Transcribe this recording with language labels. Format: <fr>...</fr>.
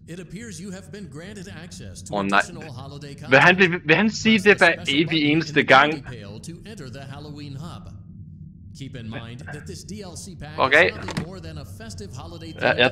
<en>It appears you have been granted access to additional holiday content.</en> <da>Vil han sige det hver evig eneste gang?</da> <en>To enter the Halloween hub. Keep in mind that this DLC pack is nothing more than a festive holiday theme.</en>